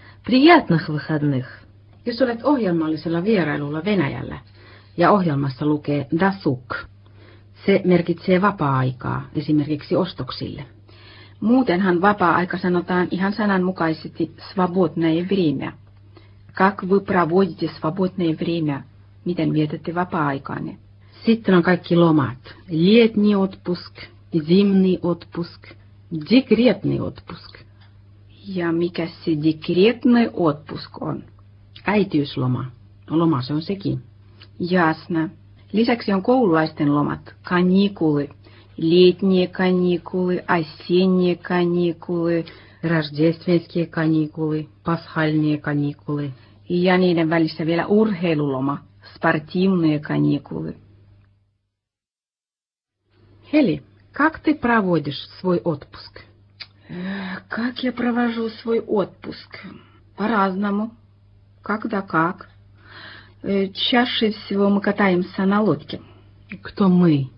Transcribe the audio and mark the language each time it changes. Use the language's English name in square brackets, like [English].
[Russian] Приятных выходных. [Finnish] Jos olet ohjelmallisella vierailulla Venäjällä ja ohjelmassa lukee досуг, se merkitsee vapaa-aikaa esimerkiksi ostoksille. Muutenhan vapaa-aika sanotaan ihan sananmukaisesti [Russian] свободное время. Как вы проводите свободное время? [Finnish] Miten vietätte vapaa-aikaanne? Sitten on kaikki lomat. [Russian] Летний отпуск, зимний отпуск, декретный отпуск. [Finnish] Ja mikä se [Russian] декретный отпуск [Finnish] on? Äitiysloma. Loma se on sekin. [Russian] Jasna. [Finnish] Lisäksi on koululaisten lomat. [Russian] Каникулы. Летние каникулы, осенние каникулы. Рождественские каникулы, пасхальные каникулы. [Finnish] Ja niiden välissä vielä urheiluloma, [Russian] спортивные каникулы. Heli, как ты проводишь свой отпуск? Как я провожу свой отпуск? По-разному. Когда как? Чаще всего мы катаемся на лодке. Кто мы?